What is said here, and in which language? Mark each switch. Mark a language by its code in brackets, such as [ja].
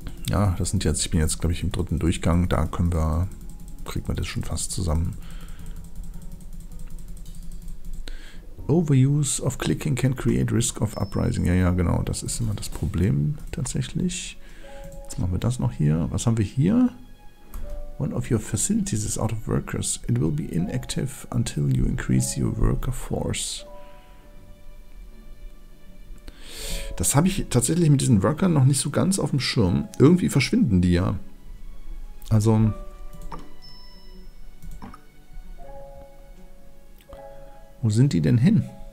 [de] Ja, das sind jetzt, ich bin jetzt, glaube ich, im dritten Durchgang. Da können wir, kriegt man das schon fast zusammen. [en] Overuse of clicking can create risk of uprising. [de] Ja, ja, genau. Das ist immer das Problem tatsächlich. Jetzt machen wir das noch hier. Was haben wir hier? [en] One of your facilities is out of workers. It will be inactive until you increase your worker force. [de] Das habe ich tatsächlich mit diesen Workern noch nicht so ganz auf dem Schirm. Irgendwie verschwinden die ja. Also... Wo sind die denn hin?